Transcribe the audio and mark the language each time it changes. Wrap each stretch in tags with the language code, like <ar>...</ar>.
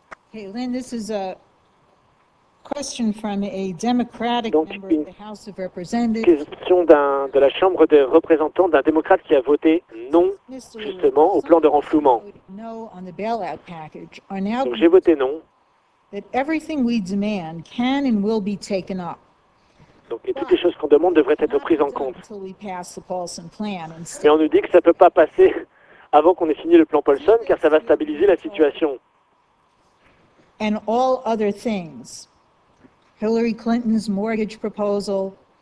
<en>Hey, Lynn, this is a Question from a Democratic</en> <fr>Donc,</fr> <en>member of the House of Representatives.</en> <fr>Question de la Chambre des représentants d'un démocrate qui a voté non, justement, au plan de renflouement. Donc j'ai voté non.</fr> <en>That everything we demand can and will be taken up.</en> <fr>Donc et toutes les choses qu'on demande devraient être prises en compte.</fr> <en>Until we pass the Paulson plan</en> <fr>et on nous dit que ça ne peut pas passer avant qu'on ait signé le plan Paulson, car ça va stabiliser la situation.</fr> <en>And all other things. Hillary Clinton's mortgage proposal,</en>